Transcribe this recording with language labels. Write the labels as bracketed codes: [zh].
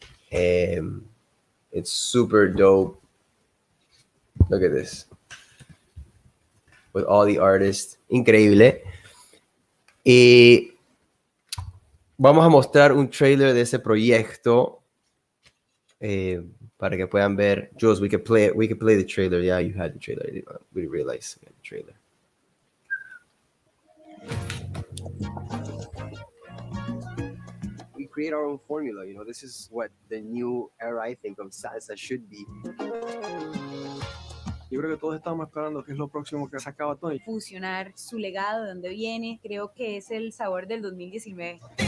[en] It's super dope. Look at this. With all the artists. [es] Increíble. Y vamos a mostrar un trailer de ese proyecto para que puedan ver. [en] Jules, we could play the trailer. Yeah, you had the trailer. We didn't realize we had the trailer. We create our own formula, you know. This is what the new era, I think, of salsa should be. [es] Yo creo que todos estamos esperando qué es lo próximo que sacaba Tony. Fusionar su legado, de dónde viene, creo que es el sabor del 2019.